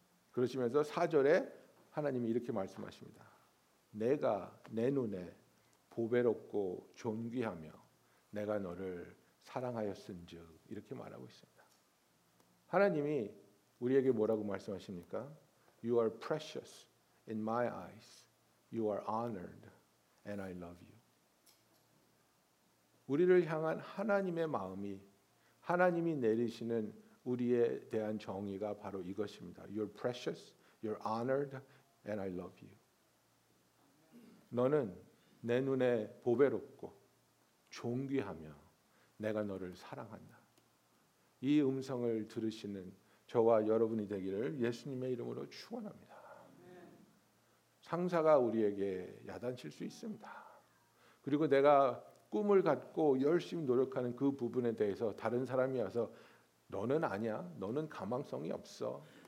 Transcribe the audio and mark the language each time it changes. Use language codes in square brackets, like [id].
[ko] 그러시면서 4절에 하나님이 이렇게 말씀하십니다. 내가 내 눈에 보배롭고 존귀하며 내가 너를 사랑하였은즉, 이렇게 말하고 있습니다. 하나님이 우리에게 뭐라고 말씀하십니까? [en] You are precious in my eyes. You are honored and I love you. [ko] 우리를 향한 하나님의 마음이, 하나님이 내리시는 우리에 대한 정의가 바로 이것입니다. [en] You're precious, you're honored and I love you. [ko] 너는 내 눈에 보배롭고 존귀하며 내가 너를 사랑한다. 이 음성을 들으시는 저와 여러분이 되기를 예수님의 이름으로 축원합니다. 상사가 우리에게 야단칠 수 있습니다. 그리고 내가 꿈을 갖고 열심히 노력하는 그 부분에 대해서 다른 사람이 와서 너는 아니야, 너는 가망성이 없어,